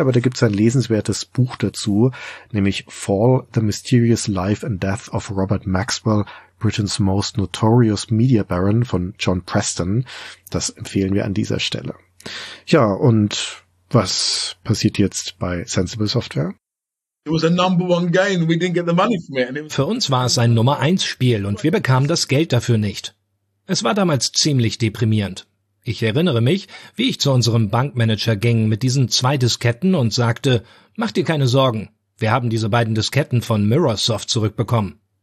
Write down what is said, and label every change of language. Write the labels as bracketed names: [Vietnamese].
[German] Aber da gibt es ein lesenswertes Buch dazu, nämlich Fall, The Mysterious Life and Death of Robert Maxwell, Britain's Most Notorious Media Baron von John Preston. Das empfehlen wir an dieser Stelle. Ja, und was passiert jetzt bei Sensible Software? [English] It was a number one game and we didn't get the money from it. [German] Für uns war es ein Nummer 1 Spiel und wir bekamen das Geld dafür nicht. Es war damals ziemlich deprimierend. Ich erinnere mich, wie ich zu unserem Bankmanager ging mit diesen 2 Disketten und sagte, mach dir keine Sorgen, wir haben diese 2 Disketten von Mirrorsoft zurückbekommen.